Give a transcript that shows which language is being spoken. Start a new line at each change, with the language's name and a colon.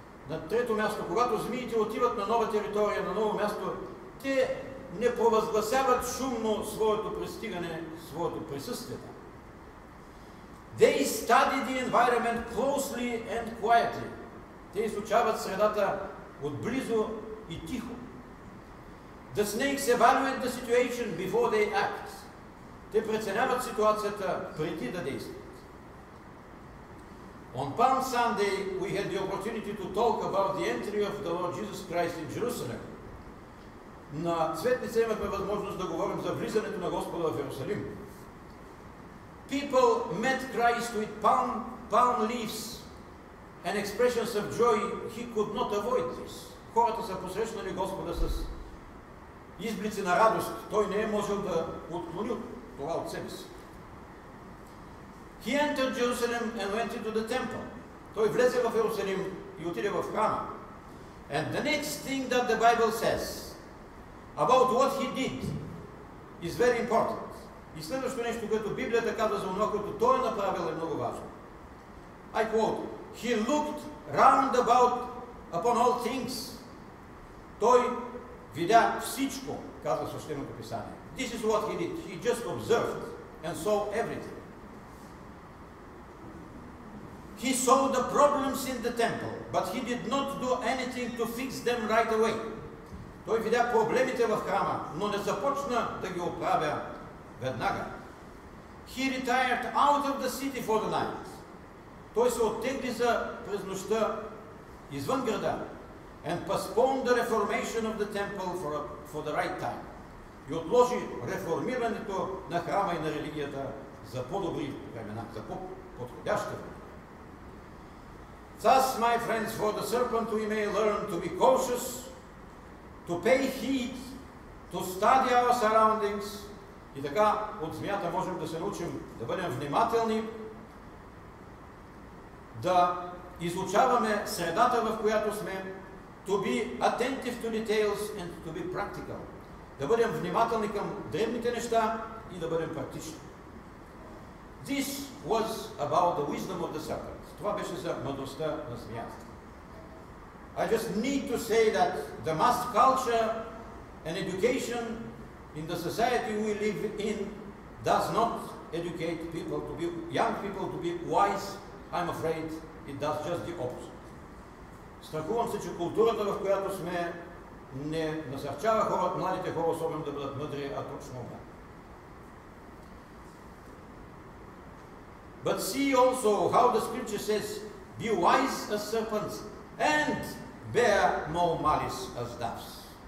Bulgarian: На трето място, когато змиите отиват на нова територия, на ново място, те не провъзгласяват шумно своето пристигане, своето присъствие.
English: They study the environment closely and quietly.
Bulgarian: Те изучават средата отблизо и тихо.
English: The snakes evaluate the situation before they act.
Bulgarian: Те преценяват ситуацията преди да действат.
English: On Palm Sunday, we had the opportunity to talk about the entry of the Lord Jesus Christ in Jerusalem.
Bulgarian: На Светница имахме възможност да говорим за влизането на Господа в Йерусалим.
English: People met Christ with palm leaves and expressions of joy. He could not avoid this.
Bulgarian: Хората са посрещнали Господа с изблици на радост. Той не е можел да отклони това от себе си.
English: He entered Jerusalem and went into the temple.
Bulgarian: Той влезе в Йерусалим и отиде в храма.
English: And the next thing that the Bible says about what he did is very important.
Bulgarian: И следващото нещо, което Библията казва за това, което той е направил, е много важно.
English: I quote, he looked round about upon all things.
Bulgarian: Той видя всичко, казва Свещеното писание.
English: This is what he did. He just observed and saw everything. He saw the problems in the temple, but he did not do anything to fix them right away.
Bulgarian: Той видя проблемите в храма, но не започна да ги оправя веднага.
English: He retired out of the city for the night.
Bulgarian: Той се оттегли за през нощта извън града
English: and postponed the reformation of the temple for the right time.
Bulgarian: И отложи реформирането на храма и на религията за по-добри времена, за по-подходящи времена.
English: Thus, my friends, for the serpent we may learn to be cautious, to pay heed, to study our surroundings.
Bulgarian: И така от змията можем да се научим да бъдем внимателни, да изучаваме средата, в която сме,
English: to be attentive to details and to be practical.
Bulgarian: Да бъдем внимателни към древните неща и да бъдем практични.
English: This was about the wisdom of the serpent.
Bulgarian: Това беше за мъдростта на змията.
English: I just need to say that the mass culture and education in the society we live in does not educate people to be young people to be wise. I'm afraid it does just the opposite.
Bulgarian: Страхувам се, че културата, в която сме, не насърчава хората, младите хора особено да бъдат мъдри, а точно да.
English: But see also how the scripture says, be wise as serpents and bear no malice as doves.